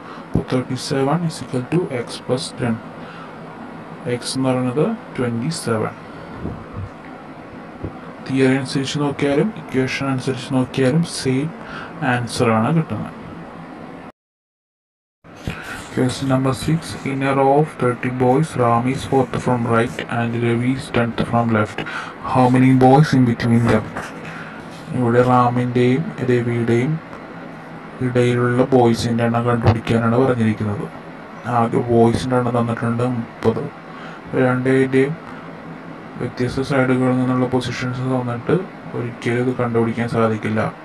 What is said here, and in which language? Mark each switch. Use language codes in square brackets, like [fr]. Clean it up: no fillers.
[ml] അപ്പോൾ 37 = x + 10. X എന്ന് പറയുന്നത് 27. തിയറി അനുസരിച്ച് നോക്കിയാലും ഇക്വേഷൻ അനുസരിച്ച് നോക്കിയാലും സെയിം ആൻസറാണ് കിട്ടുന്നത്. [en] Question number 6. In a row of 30 boys, Ram is 4th from right and Ravi is 10th from left. How many boys in between them? [ml] ഇവിടെ റാമിൻ്റെയും രവിയുടെയും ഇടയിലുള്ള ബോയ്സിൻ്റെ എണ്ണം കണ്ടുപിടിക്കാനാണ് പറഞ്ഞിരിക്കുന്നത്. ആകെ ബോയ്സിൻ്റെ എണ്ണം തന്നിട്ടുണ്ട് 30. രണ്ടേൻ്റെയും വ്യത്യസ്ത സൈഡുകളിൽ നിന്നുള്ള പൊസിഷൻസ് തന്നിട്ട് ഒരിക്കലും ഇത് കണ്ടുപിടിക്കാൻ സാധിക്കില്ല.